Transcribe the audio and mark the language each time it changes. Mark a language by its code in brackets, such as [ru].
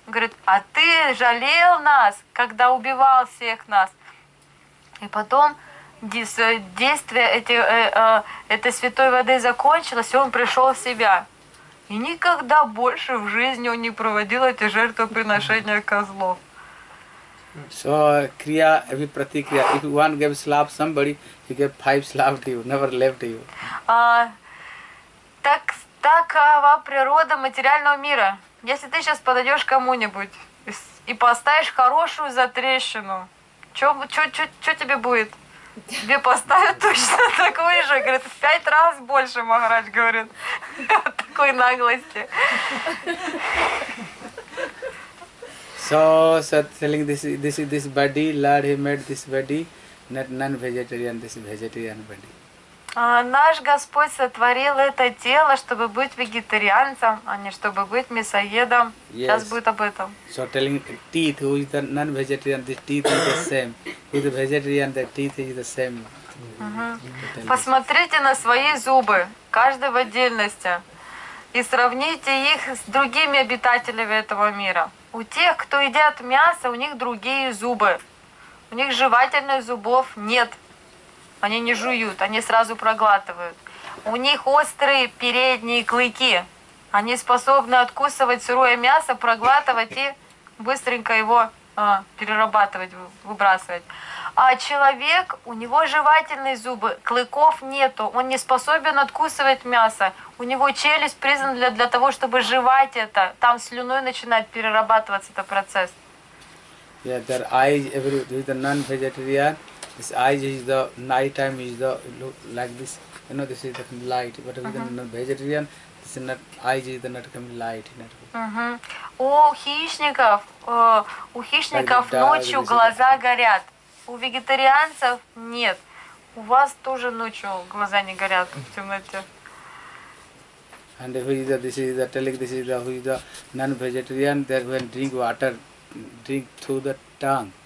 [ru] Говорит, а ты жалел нас, когда убивал всех нас. И потом действие этой святой воды закончилось, и он пришел в себя. И никогда больше в жизни он не проводил эти жертвоприношения козлов. [en] So kriya every pratikriya. If one gave slap somebody, he gave five slap to you, never left you. [ru] Так такова природа материального мира. Если ты сейчас подойдешь кому-нибудь и поставишь хорошую затрещину, что тебе будет? Тебе поставят точно такую же, говорит, в пять раз больше, Махарадж говорит, от такой наглости. [en] So, sir, telling this body, Lord, he made this body, not non-vegetarian, this vegetarian body. [ru] Наш Господь сотворил это тело, чтобы быть вегетарианцем, а не чтобы быть мясоедом. [en] Yes. [ru] Сейчас будет об этом. [en] So telling teeth, who is the non-vegetarian, the teeth is the same. Who is the vegetarian, the teeth is the same. [ru] Посмотрите на свои зубы, каждый в отдельности, и сравните их с другими обитателями этого мира. У тех, кто едят мясо, у них другие зубы. У них жевательных зубов нет. Они не жуют, они сразу проглатывают. У них острые передние клыки. Они способны откусывать сырое мясо, проглатывать и быстренько его перерабатывать, выбрасывать. А человек, у него жевательные зубы, клыков нету. Он не способен откусывать мясо. У него челюсть признана для того, чтобы жевать это. Там слюной начинает перерабатываться этот процесс. [en] Yeah, their eyes, every the non-vegetarian. His eyes is the night time is the look like this. You know, this is the light. But if you're not vegetarian, this is not eyes is the not coming light. Not. [ru] У хищников [en] like [ru] ночью [en] dog, [ru] глаза горят. У вегетарианцев нет. У вас тоже ночью глаза не горят в темноте. [en] And who is the, this is the telling, this is the who is the non-vegetarian, they when drink water, drink through the tongue.